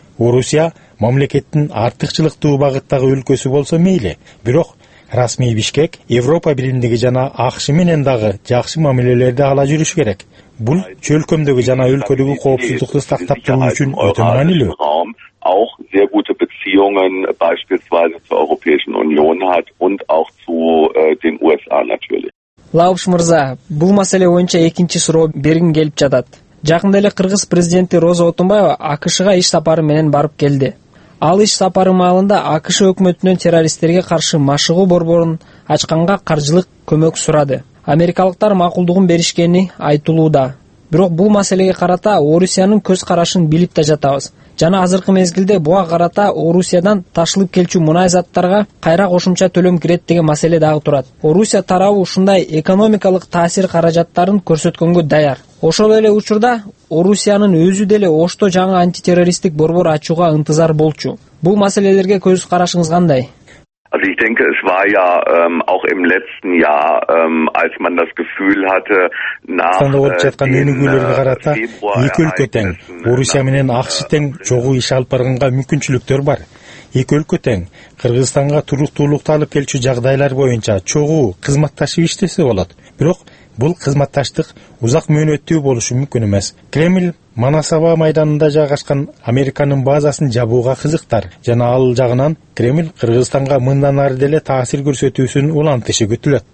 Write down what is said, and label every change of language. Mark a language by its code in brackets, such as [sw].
[ky] Орусия мамлекеттин артыкчылыктуу багыттагы өлкөсү болсо мейли, бирок расмий Бишкек Европа Биримдиги жана АШШ менен дагы жакшы мамилелерди ала жүрүш керек. Бул чөлкөмдөгү жана өлкөдөгү коопсуздукту сактап туруу үчүн өтө маанилүү. [de] Auch sehr gute Beziehungen beispielsweise zur Europäischen Union hat und auch zu den USA natürlich. [ky] Лаош мырза, бул маселе боюнча экинчи суроо бергим келип жатат. Жакында эле кыргыз президенти Роза Отунбаева АКШга иш сапары менен барып келди. Ал иш сапары маалында АКШ өкмөтүнөн террористтерге каршы машыгуу борборун ачканга каржылык көмөк сурады. Америкалыктар макулдугун беришкени айтылууда. Бирок бул маселеге карата Орусиянын көз карашын билип да жатабыз. Жана азыркы мезгилде буга карата Орусиядан ташылып келчү мунай заттарга кайра кошумча төлөм кирет деген маселе дагы турат. Орусия тарабы ушундай экономикалык таасир каражаттарын көрсөткөнгө даяр. Ошол эле учурда Орусиянын өзү деле Ошто жаңы антитеррористтик борбор ачууга ынтызар болчу. Бул маселелерге көз карашыңыз кандай? [de] Also ich denke, es war ja auch im letzten Jahr, als man das Gefühl hatte, nach den Februar-Ereignissen, [ky] Орусия менен АКШ тең чогуу иш алып барганга мүмкүнчүлүктөр бар. Эки өлкө тең Кыргызстанга туруктуулукту алып келчү жагдайлар боюнча чогуу кызматташып иштесе болот. Бирок бул кызматташтык узак мөөнөттүү болушу мүмкүн эмес. Кремль Манасава майданында жайгашкан Американын базасын жабууга кызыктар жана ал жагынан Кремль Кыргызстанга мындан ары деле таасир көрсөтүүсүн улантышы күтүлөт.